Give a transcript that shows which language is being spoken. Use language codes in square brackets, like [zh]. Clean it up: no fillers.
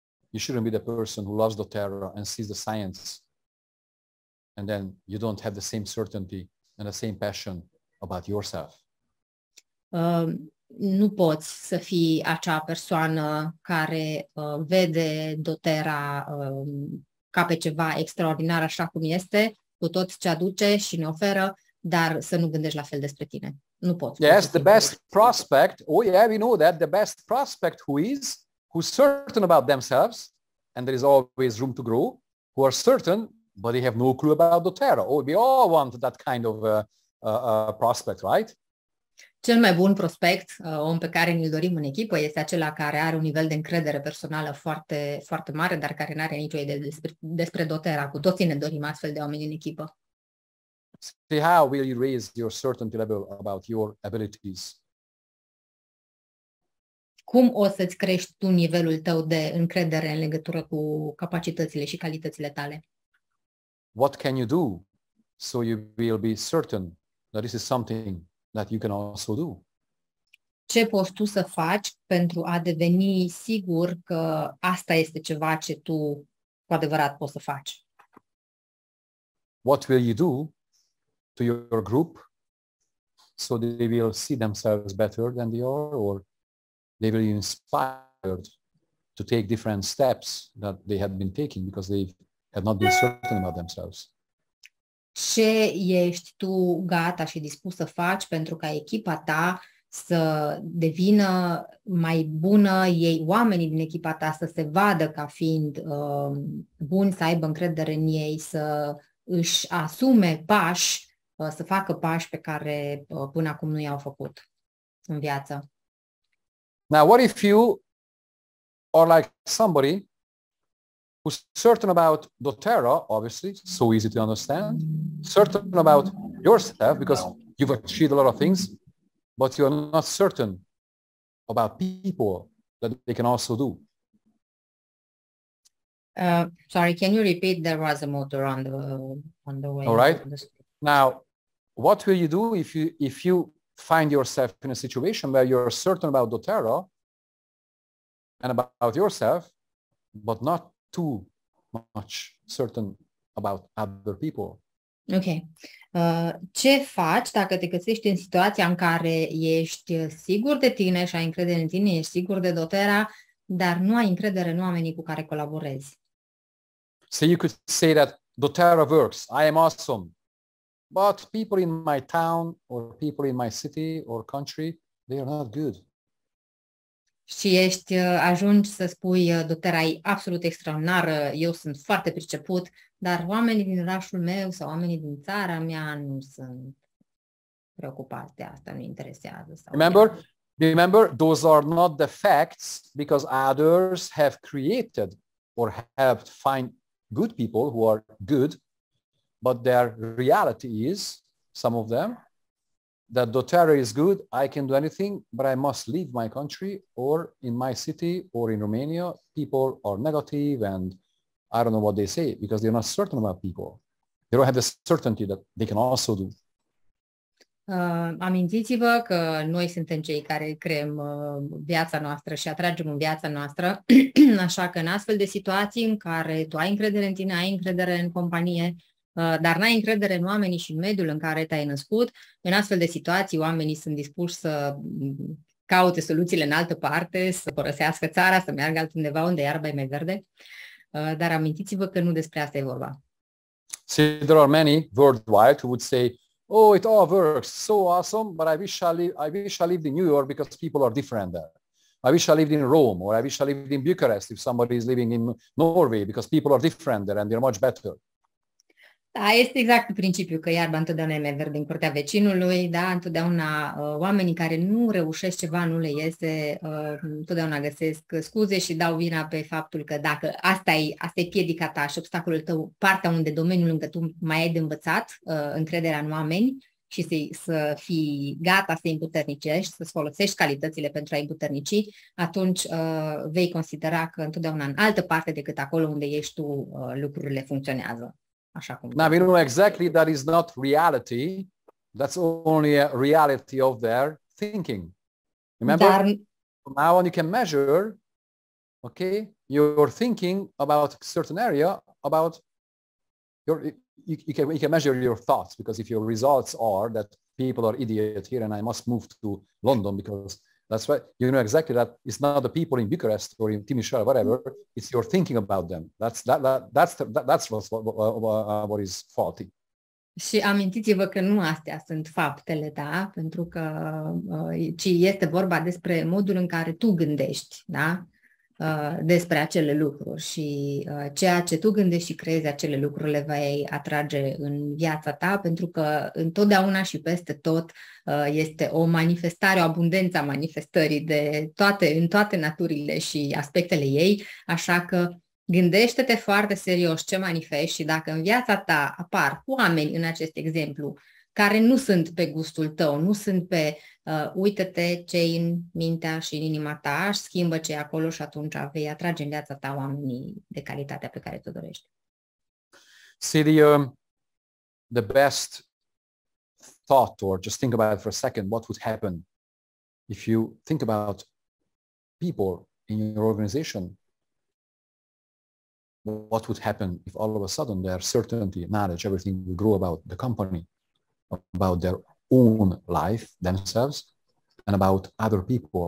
[en] You shouldn't be the person who loves doTERRA and sees the science, and then you don't have the same certainty and the same passion about yourself. [ro] Nu poți să fii acea persoană care vede doTERRA ca pe ceva extraordinar așa cum este, cu tot ce aduce și ne oferă, dar să nu gândești la fel despre tine. Nu poți. [en] Yes, the best prospect, oh yeah, we know that, the best prospect who's certain about themselves, and there is always room to grow, who are certain, but they have no clue about doTERRA. Oh, we all want that kind of prospect, right? [ro] Cel mai bun prospect, om pe care ni-l dorim în echipă, este acela care are un nivel de încredere personală foarte, foarte mare, dar care n-are nicio idee despre doTERRA. Cu toții ne dorim astfel de oameni în echipă. [en] See, how will you raise your certainty level about your abilities? [ro] Cum o să-ți crești tu nivelul tău de încredere în legătură cu capacitățile și calitățile tale? [en] What can you do so you will be certain that this is something that you can also do? [ro] Ce poți tu să faci pentru a deveni sigur că asta este ceva ce tu cu adevărat poți să faci? [en] What will you do to your group so they will see themselves better than they are, or they will be inspired to take different steps that they had been taking because they've have not been certain about themselves? [ro] Ce ești tu gata și dispus să faci pentru ca echipa ta să devină mai bună, ei, oamenii din echipa ta să se vadă ca fiind buni, să aibă încredere în ei, să își asume pași să facă pași pe care până acum nu i-au făcut în viață. [en] Now, what if you are like somebody who's certain about doTERRA, obviously, so easy to understand, certain about yourself, because you've achieved a lot of things, but you're not certain about people that they can also do. Sorry, can you repeat? There was a motor on the way. All right. Now, what will you do if you find yourself in a situation where you're certain about doTERRA and about yourself, but not too much certain about other people? Ok. [ro] Ce faci dacă te găsești în situația în care ești sigur de tine și ai încredere în tine, ești sigur de doTERRA, dar nu ai încredere în oamenii cu care colaborezi? [en] So you could say that doTERRA works, I am awesome, but people in my town or people in my city or country, they are not good. [ro] Și ești, ajungi să spui, doTERRA e absolut extraordinară, eu sunt foarte priceput, dar oamenii din orașul meu sau oamenii din țara mea nu sunt preocupați de asta, nu-i interesează. Sau [en] remember, those are not the facts, because others have created or helped find good people who are good, but their reality is, some of them, that doTERRA is good, I can do anything, but I must leave my country or in my city or in Romania. People are negative and I don't know what they say because they're not certain about people. They don't have the certainty that they can also do. [ro] Amintiți-vă că noi suntem cei care creăm viața noastră și atragem în viața noastră, așa că în astfel de situații în care tu ai încredere în tine, ai încredere în companie, dar n-ai încredere în oamenii și în mediul în care te-ai născut, în astfel de situații oamenii sunt dispuși să caute soluțiile în altă parte, să părăsească țara, să meargă altundeva unde iarba e mai verde. Dar amintiți-vă că nu despre asta e vorba. [en] See, there are many worldwide who would say, oh, it all works, so awesome, but I wish I lived in New York because people are different there. I wish I lived in Rome or I wish I lived in Bucharest if somebody is living in Norway because people are different there and they're much better. [ro] Da, este exact principiul că iarba întotdeauna e mai verde în curtea vecinului, da, întotdeauna oamenii care nu reușesc ceva nu le iese, întotdeauna găsesc scuze și dau vina pe faptul că dacă asta e piedica ta și obstacolul tău, partea unde domeniul încă tu mai ai de învățat încrederea în oameni și să fii gata să-i împuternicești, să-ți folosești calitățile pentru a-i împuternici, atunci vei considera că întotdeauna în altă parte decât acolo unde ești tu lucrurile funcționează. [en] Now we know exactly that is not reality, that's only a reality of their thinking. Remember, from now on you can measure, okay, your thinking about a certain area, about your, you can measure your thoughts, because if your results are that people are idiots here and I must move to London, because that's why you know exactly that it's not the people in Bucharest or in Timișoara, whatever, it's your thinking about them. That's what is faulty. [ro] Și amintiți-vă că nu astea sunt faptele, da? Pentru că ci este vorba despre modul în care tu gândești, da? Despre acele lucruri și ceea ce tu gândești și crezi acele lucruri le vei atrage în viața ta, pentru că întotdeauna și peste tot este o manifestare, o abundență a manifestării de toate, în toate naturile și aspectele ei, așa că gândește-te foarte serios ce manifesti și dacă în viața ta apar oameni în acest exemplu care nu sunt pe gustul tău, nu sunt pe uită-te ce e în mintea și în inima ta, schimbă ce e acolo și atunci vei atrage în viața ta oamenii de calitatea pe care tu dorești. [en] See, the best thought, or just think about it for a second, what would happen if you think about people in your organization? What would happen if all of a sudden their certainty, knowledge, everything would grow about the company, about their own life, themselves, and about other people?